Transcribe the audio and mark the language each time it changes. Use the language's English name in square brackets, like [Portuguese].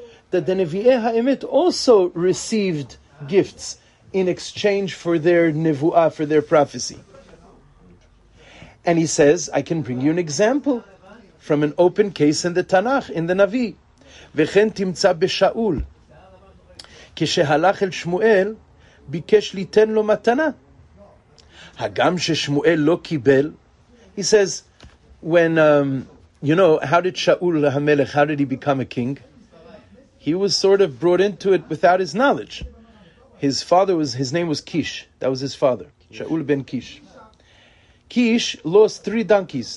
[English] That the Nevi HaEmet also received gifts in exchange for their nevuah, for their prophecy. And he says, I can bring you an example from an open case in the Tanakh, in the Navi. [Hebrew] Vechen timtza b'Shaul. כשהלך אל שמואל, ביקש ליתן לו מתנה. הגם ששמואל לא קיבל, [English] he says, when, how did Shaul HaMelech, how did he become a king? He was sort of brought into it without his knowledge. His name was Kish. That was his father, Shaul ben Kish. Kish lost three donkeys.